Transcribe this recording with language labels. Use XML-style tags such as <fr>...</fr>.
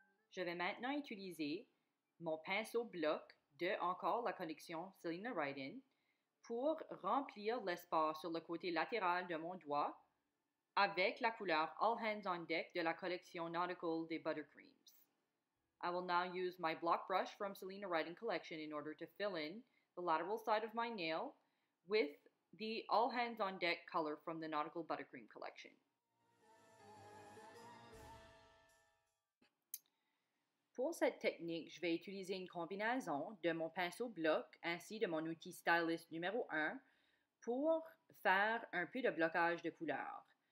<fr>Je vais maintenant utiliser mon pinceau bloc de encore la collection Selena Ryden pour remplir l'espace sur le côté latéral de mon doigt avec la couleur All Hands on Deck de la collection Nautical des Buttercreams.</fr> <en>I will now use my block brush from Selena Ryden collection in order to fill in the lateral side of my nail with the All Hands on Deck color from the Nautical Buttercream collection.</en> <fr>Pour cette technique, je vais utiliser une combinaison de mon pinceau bloc ainsi de mon outil stylus numéro 1 pour faire un peu de blocage de couleur.</fr>